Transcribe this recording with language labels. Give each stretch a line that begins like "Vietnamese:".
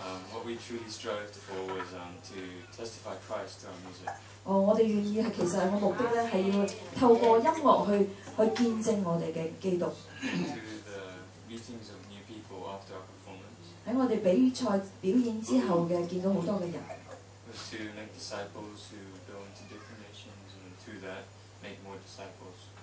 English: What we truly strived for was to testify Christ to our music.
Cantonese: 我哋願意係其實我目的咧係要透過音樂去見證我哋嘅基督。
English: To the meetings of new people after our performance.
Cantonese: 喺我哋比賽表演之後嘅見到好多嘅人。
English: Was to make disciples who go into different nations and through that make more disciples.